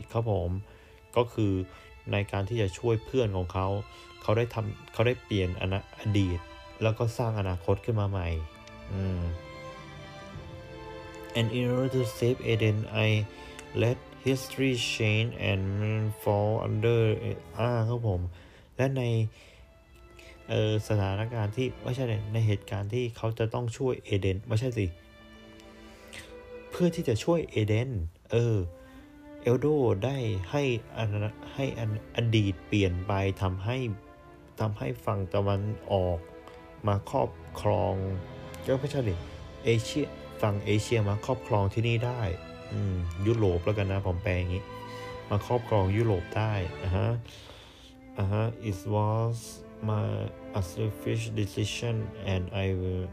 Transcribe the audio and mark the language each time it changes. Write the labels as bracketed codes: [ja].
[th] ครับผมก็คือในการที่จะช่วยเพื่อนของเขาเขาได้เปลี่ยนอดีตแล้วก็สร้างอนาคตขึ้นมาใหม่ [en] And in order to save Eden I let history change and fall under [th] ครับผมและในสถานการณ์ที่ไม่ใช่ในเหตุการณ์ที่เขาจะต้องช่วยเอเดนไม่ใช่สิเพื่อที่จะช่วยเอเดนเอลโดได้ให้อดีตเปลี่ยนไปทำให้ฝั่งตะวันออกมาครอบครองก็ไม่ใช่ดิเอเชียฝั่งเอเชียมาครอบครองที่นี่ได้ยุโรปแล้วกันนะผมแปลงี้มาครอบครองยุโรปได้ [en] ฮะ it was my a selfish decision and I will